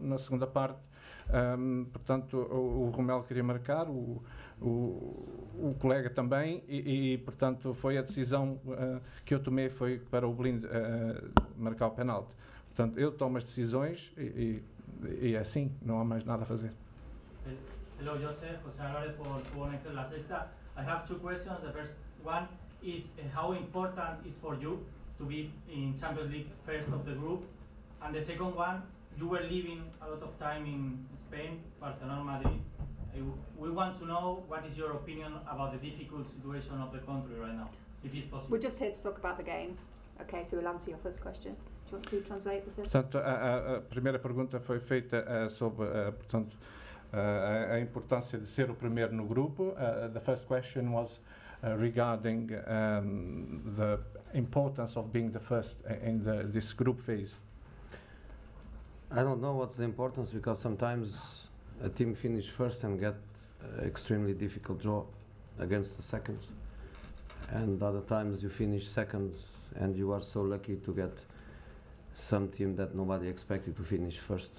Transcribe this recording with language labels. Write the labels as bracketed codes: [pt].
[pt] Na segunda parte, portanto, o Romelu queria marcar, o colega também, e portanto foi a decisão que eu tomei, foi para o Blind marcar o penalti. Portanto, eu tomo as decisões e é assim, não há mais nada a fazer. [en] Hello, José Álvarez for Next La Sexta. I have two questions. The first one is how important is for you to be in Champions League first of the group, and the second one, you were living a lot of time in Spain, Barcelona, Madrid. We want to know what is your opinion about the difficult situation of the country right now, if it's possible. We're just here to talk about the game. Okay, so we'll answer your first question. Do you want to translate the first [pt] one? Portanto, a primeira pergunta foi feita sobre, portanto, a importância de ser o primeiro no grupo. [en] The first question was regarding the importance of being the first in the, this group phase. I don't know what's the importance, because sometimes a team finish first and get extremely difficult draw against the second, and other times you finish second and you are so lucky to get some team that nobody expected to finish first.